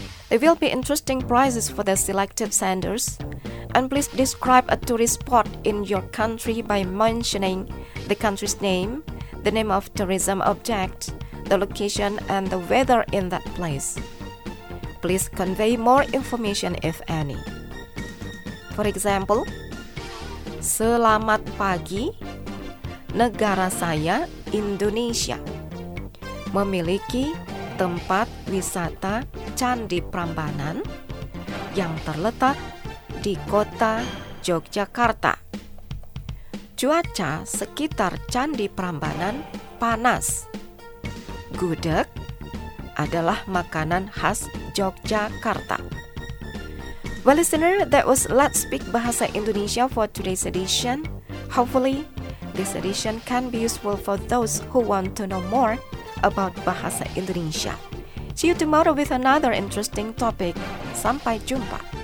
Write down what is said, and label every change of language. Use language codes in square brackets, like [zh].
[en] There will be interesting prizes for the selected senders, and please describe a tourist spot in your country by mentioning the country's name, the name of tourism object, the location, and the weather in that place. Please convey more information, if any. For example, [id] selamat pagi, negara saya Indonesia memiliki tempat wisata Candi Prambanan yang terletak di kota Yogyakarta. Cuaca sekitar Candi Prambanan panas. Gudeg adalah makanan khas Yogyakarta. [en] Well, listener, that was Let's Speak Bahasa Indonesia for today's edition. Hopefully, this edition can be useful for those who want to know more about Bahasa Indonesia. See you tomorrow with another interesting topic. [id] Sampai jumpa.